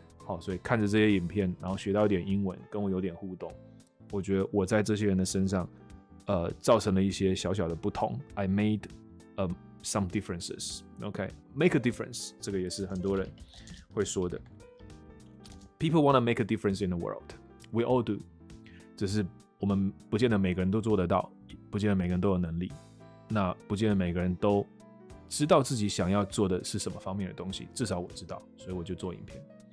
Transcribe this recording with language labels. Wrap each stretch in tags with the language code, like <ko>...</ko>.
<zh>好，所以看着这些影片，然后学到一点英文，跟我有点互动，我觉得我在这些人的身上，造成了一些小小的不同。</zh> <en>I made some differences. OK, make a difference.</en> <zh>这个也是很多人会说的。</zh> <en>People want to make a difference in the world. We all do.</en> <zh>只是我们不见得每个人都做得到，不见得每个人都有能力。那不见得每个人都知道自己想要做的是什么方面的东西，至少我知道，所以我就做影片。</zh>